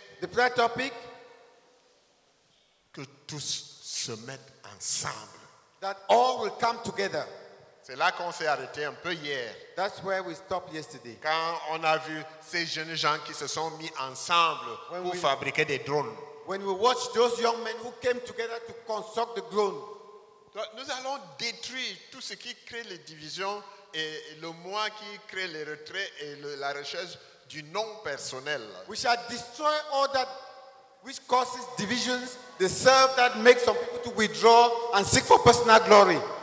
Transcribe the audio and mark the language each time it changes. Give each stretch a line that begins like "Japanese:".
English: The prayer topic.
French: Que tous se mettent ensemble.
English: That all will come together.
French: C'est là qu'on s'est arrêté un peu hier.
English: That's where we stopped yesterday.
French: Quand on a vu ces jeunes gens qui se sont mis ensemble
English: when
French: pour fabriquer des drones.
English: When we watched those young men who came together to construct the drone.
French: Nous allons détruire tout ce qui crée les divisions et le moi qui crée les retraits et la recherche du non personnel.
English: We shall destroy all that which causes divisions, the self that makes some people to withdraw and seek for personal glory.